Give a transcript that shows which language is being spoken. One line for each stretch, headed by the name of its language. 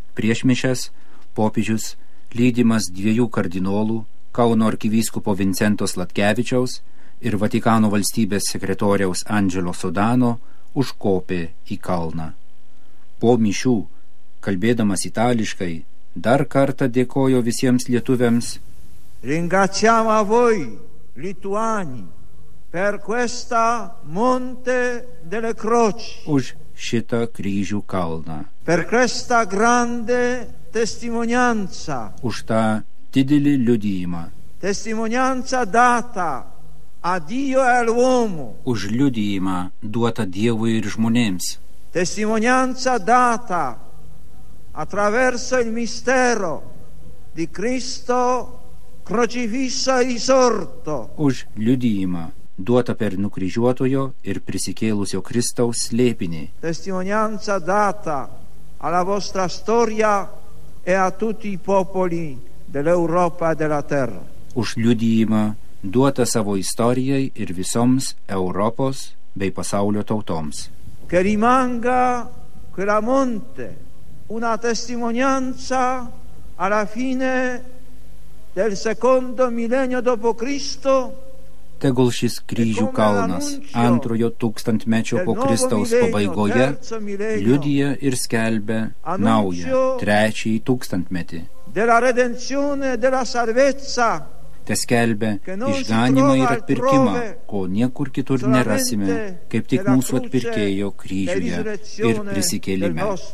Lithuanian: Prieš mišes popiežius, lydimas dviejų kardinolų, Kauno arkivyskupo Vincento Sladkevičiaus ir Vatikano valstybės sekretoriaus Angelo Sodano, užkopė į kalną. Po mišių, kalbėdamas itališkai, dar kartą dėkojo visiems lietuviams.
Italian: Ringraziamo a voi, lituani, per questa monte delle croci.
Lithuanian: Už šitą kryžių kalną.
Italian: Per questa grande testimonianza.
Lithuanian: Už tą didelį liudijimą.
Italian: Testimonianza data a Dio e all'uomo.
Lithuanian: Už liudijimą duota Dievui ir žmonėms.
Italian: Testimonianza data attraverso il mistero di Cristo crocifisso e risorto.
Lithuanian: Už liudijimą duota per nukryžiuotojo ir prisikėlusio Kristaus slėpinį.
Italian: Testimonianza data alla vostra storia e a tutti i popoli dell'Europa e della terra.
Lithuanian: Už liudijimą duota savo istorijai ir visoms Europos bei pasaulio tautoms.
Italian: Che rimanga quella monte una testimonianza alla fine del secondo millennio dopo Cristo.
Lithuanian: Tegul šis kryžių kalnas antrojo tūkstantmečio po Kristaus pabaigoje liudija ir skelbia naują trečiąjį tūkstantmetį.
Italian: Della redenzione, della salvezza.
Lithuanian: Te skelbia išganimą ir atpirkimą, ko niekur kitur nerasime, kaip tik mūsų atpirkėjo kryžiuje ir prisikėlime.